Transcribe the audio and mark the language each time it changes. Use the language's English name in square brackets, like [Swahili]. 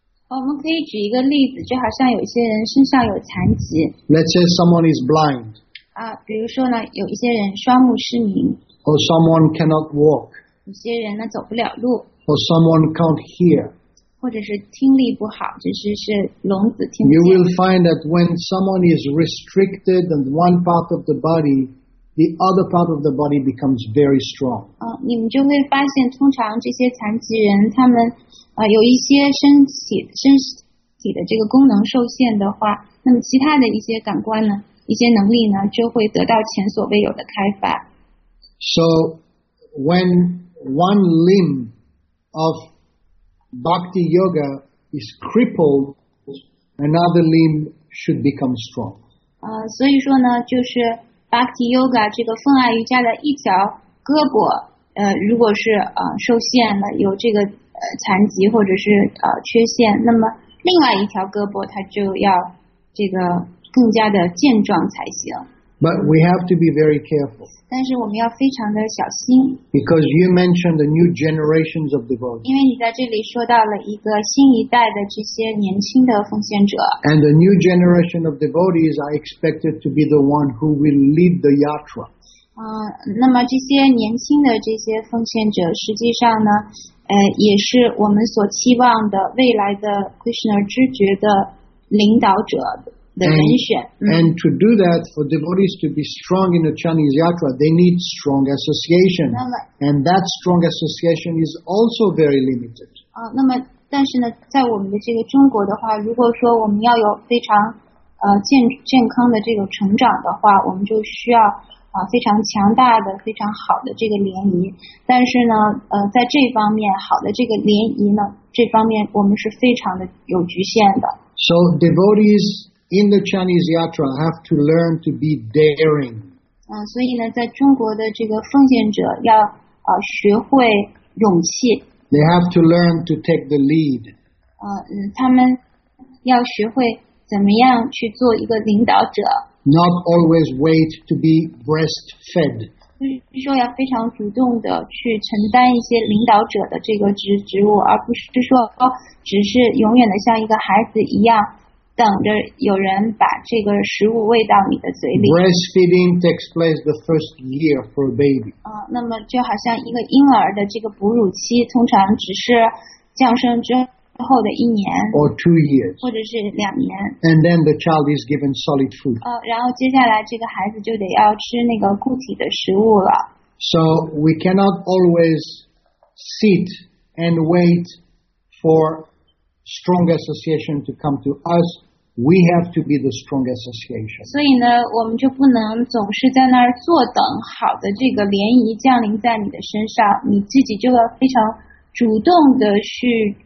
[Chinese] 我们可以举一个例子，就好像有些人身上有残疾。 [English] Let's say someone is blind. [Chinese] 比如说呢，有一些人双目失明。 [English] Or someone cannot walk. [Chinese] 有些人呢走不了路。 [English] Or someone can't hear. [Chinese] 或者是听力不好，就是聋子听不见。 [English] You will find that when someone is restricted in one part of the body, the other part of the body becomes very strong. [Chinese] 你们就会发现，通常这些残疾人他们。有一些身体的这个功能受限的话，那么其他的一些感官呢，一些能力呢，就会得到前所未有的开发。 [English] So, when one limb of Bhakti Yoga is crippled, another limb should become strong. [Chinese] 所以说呢，就是 Bhakti Yoga 这个奉爱瑜伽的一条胳膊，如果是受限了，有这个。残疾或者是缺陷，那么另外一条胳膊它就要这个更加的健壮才行。 [English] But we have to be very careful. [Chinese] 但是我们要非常的小心。 [English] Because you mentioned the new generations of devotees. [Chinese] 因为你在这里说到了一个新一代的这些年轻的奉献者。 [English] And the new generation of devotees are expected to be the one who will lead the yatra. [Chinese] 那么这些年轻的这些奉献者实际上呢？也是我们所期望的未来的 Krishna 知觉的领导者的人选。 [English] And to do that, for devotees to be strong in the Chinese yatra, they need strong association. And that strong association is also very limited. [Chinese] 那么但是呢，在我们的这个中国的话，如果说我们要有非常健康的这个成长的话，我们就需要。非常强大的非常好的这个联谊，但是呢在这方面好的这个联谊呢，这方面我们是非常的有局限的。 [English] So devotees in the Chinese yatra have to learn to be daring. [Chinese] 所以呢在中国的这个奉献者要学会勇气。 [English] They have to learn to take the lead. [Chinese] 他们要学会怎么样去做一个领导者。 [English] Not always wait to be breastfed. [Chinese] 就是说要非常主动的去承担一些领导者的这个职务，而不是说只是永远的像一个孩子一样等着有人把这个食物喂到你的嘴里。 [English] Breastfeeding takes place the first year for a baby. [Chinese] 那么就好像一个婴儿的这个哺乳期，通常只是降生之后。后的一年 [English] or 2 years, [Chinese] 或者是两年 [English] and then the child is given solid food. [Chinese] 然后接下来这个孩子就得要吃那个固体的食物了。 [English] So we cannot always sit and wait for strong association to come to us. We have to be the strong association. [Chinese] 所以呢，我们就不能总是在那儿坐等好的这个联谊降临在你的身上，你自己就要非常主动的去。